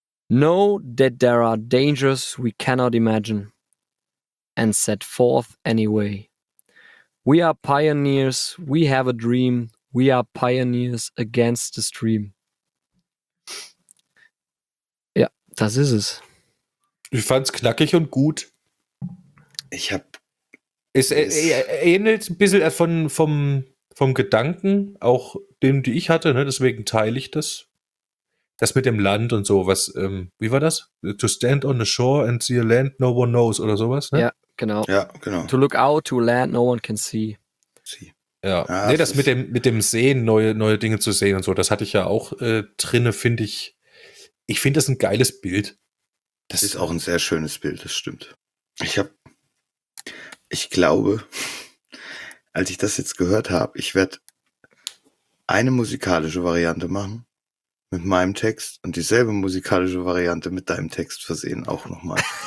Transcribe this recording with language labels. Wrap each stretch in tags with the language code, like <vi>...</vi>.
<en>Know that there are dangers we cannot imagine and set forth anyway. We are pioneers. We have a dream. We are pioneers against the stream.</en> <de>Das ist es. Ich fand's knackig und gut. Ähnelt ein bisschen vom Gedanken, auch dem, die ich hatte, ne? Deswegen teile ich das. Das mit dem Land und sowas. Wie war das?</de> <en>To stand on the shore and see a land no one knows</en> <de>oder sowas, ne? Ja, genau.</de> <en>To look out to a land no one can see.</en> <de>Ja, das mit dem Sehen, neue Dinge zu sehen und so, das hatte ich ja auch drinne, finde ich. Ich finde das ein geiles Bild. Das ist auch ein sehr schönes Bild, das stimmt. Ich glaube, als ich das jetzt gehört habe, ich werde eine musikalische Variante machen mit meinem Text und dieselbe musikalische Variante mit deinem Text versehen auch nochmal.</de>